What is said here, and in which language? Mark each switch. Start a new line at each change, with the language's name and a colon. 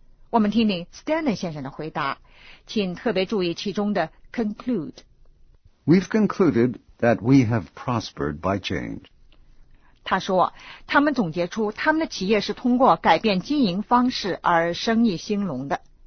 Chinese: 我们听听 Stanton 先生的回答，请特别注意其中的conclude。
English: We've concluded that we have prospered by change.
Chinese: 他说他们总结出他们的企业是通过改变经营方式而生意兴隆的。